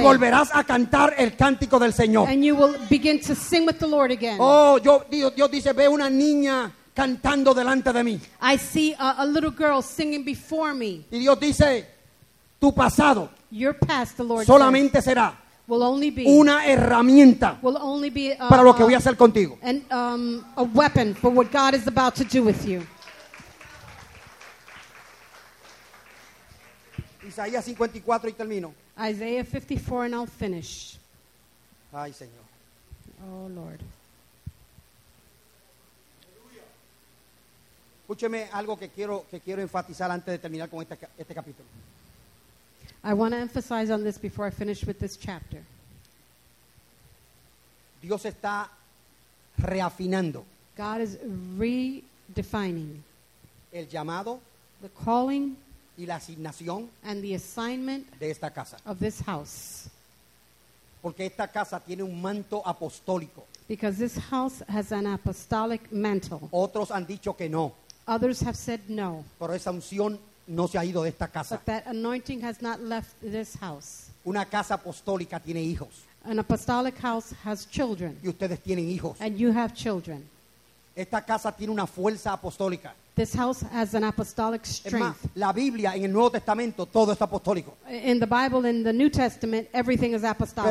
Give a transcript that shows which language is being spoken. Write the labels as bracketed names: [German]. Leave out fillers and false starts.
[Spanish] Y volverás a cantar el cántico del Señor. [English] And you will begin to sing with the Lord again. [Spanish] Oh, Dios dice, ve una niña cantando delante de mí. [English] I see a little girl singing before me. [Spanish] Y Dios dice, tu pasado [English] Your past, the Lord [Spanish] solamente [English] says, [Spanish] será [English] will only be, [Spanish] una herramienta [English] will only be, [Spanish] para lo que voy a hacer contigo. [English] And, a weapon for what God is about to do with you. [Spanish] Isaías 54 y termino. [English] Isaiah 54 and I'll finish. [Spanish] Ay, Señor. [English] Oh, Lord. [Spanish] Escúcheme algo que quiero enfatizar antes de terminar con este capítulo. [English] I want to emphasize on this before I finish with this chapter. [Spanish] Dios está reafinando. [English] God is redefining [Spanish] el llamado, [English] the calling, [Spanish] y la asignación, [English] and the assignment [Spanish] de esta casa, [English] of this house. [Spanish] Porque esta casa tiene un manto apostólico. [English] Because this house has an apostolic mantle. [Spanish] Otros han dicho que no. [English] Others have said no. [Spanish] Pero esa unción no se ha ido de esta casa. [English] But that anointing has not left this house. [Spanish] Una casa apostólica tiene hijos. [English] An apostolic house has children. [Spanish] Y ustedes tienen hijos. [English] And you have children. [Spanish] Esta casa tiene una fuerza apostólica. [English] This house has an apostolic strength. [Spanish] Es más, la Biblia en el Nuevo Testamento todo es apostólico. [English] In the Bible, in the New Testament, everything is apostolic.